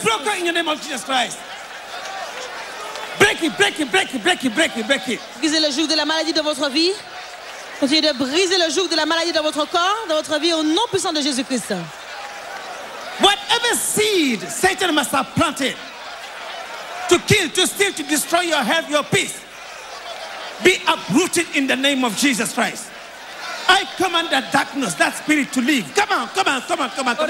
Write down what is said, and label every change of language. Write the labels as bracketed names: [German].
[English] Be broken in the name of Jesus Christ. Break it, break it, break it, break it, break it, break it. [French] Brisez le joug de la maladie de votre vie. Continuez de briser le joug de la maladie de votre corps, de votre vie au nom puissant de Jésus Christ. [English] Whatever seed Satan must have planted to kill, to steal, to destroy your health, your peace, be uprooted in the name of Jesus Christ. I command that darkness, that spirit to leave. Come on, come on, come on, come on, come on.